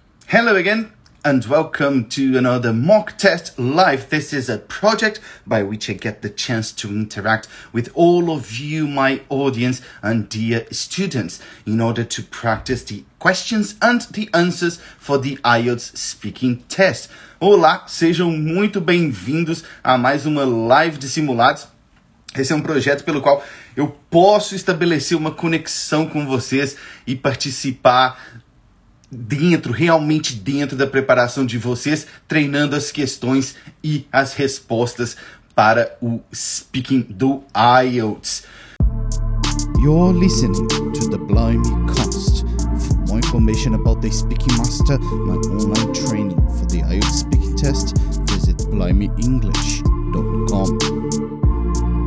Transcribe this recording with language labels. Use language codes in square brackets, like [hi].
[en] Hello again, and welcome to another mock test live. This is a project by which I get the chance to interact with all of you, my audience and dear students, in order to practice the questions and the answers for the IELTS speaking test. [pt] Olá, sejam muito bem-vindos a mais uma live de simulados. Esse é um projeto pelo qual eu posso estabelecer uma conexão com vocês e participar realmente dentro da preparação de vocês, treinando as questões e as respostas para o speaking do IELTS. [en] You're listening to the Blimey Cast. For more information about the Speaking Master, my online training for the IELTS speaking test, visit blimeyenglish.com.